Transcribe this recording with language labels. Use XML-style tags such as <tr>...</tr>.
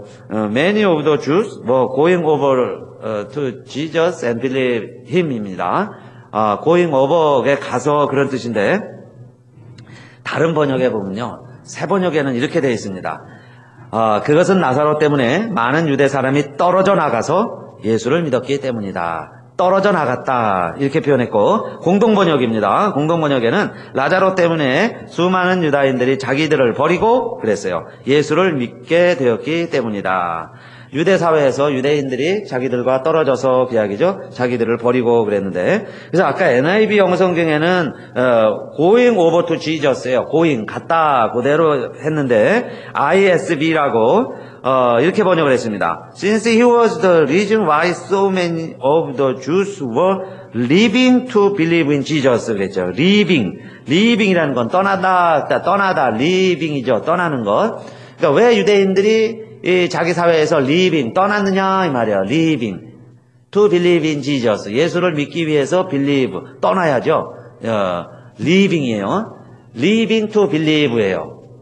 <en>Many of the Jews were going over to Jesus and believe him입니다. Going over</en> <ko>에 가서 그런 뜻인데, 다른 번역에 보면요, 새 번역에는 이렇게 되어 있습니다. 그것은 나사로 때문에 많은 유대 사람이 떨어져 나가서 예수를 믿었기 때문이다. 떨어져 나갔다 이렇게 표현했고, 공동번역입니다. 공동번역에는 라자로 때문에 수많은 유다인들이 자기들을 버리고 그랬어요. 예수를 믿게 되었기 때문이다. 유대 사회에서 유대인들이 자기들과 떨어져서 그 이야기죠. 자기들을 버리고 그랬는데, 그래서 아까 NIV 영어성경에는</ko> <en>going over to Jesus</en> <ko>예요. going 갔다 그대로 했는데 ISV라고 이렇게 번역을 했습니다.</ko> <en>Since he was the reason why so many of the Jews were leaving to believe in Jesus</en> <ko>그랬죠.</ko> <en>leaving.</en> <ko>leaving이라는 건 떠나다, leaving이죠. 떠나는 것. 그러니까 왜 유대인들이 이 자기 사회에서 leaving, 떠났느냐 이 말이에요.</ko> <en>leaving. to believe in Jesus.</en> <ko>예수를 믿기 위해서 believe, 떠나야죠. leaving이에요.</ko> <en>leaving to believe예요.</en>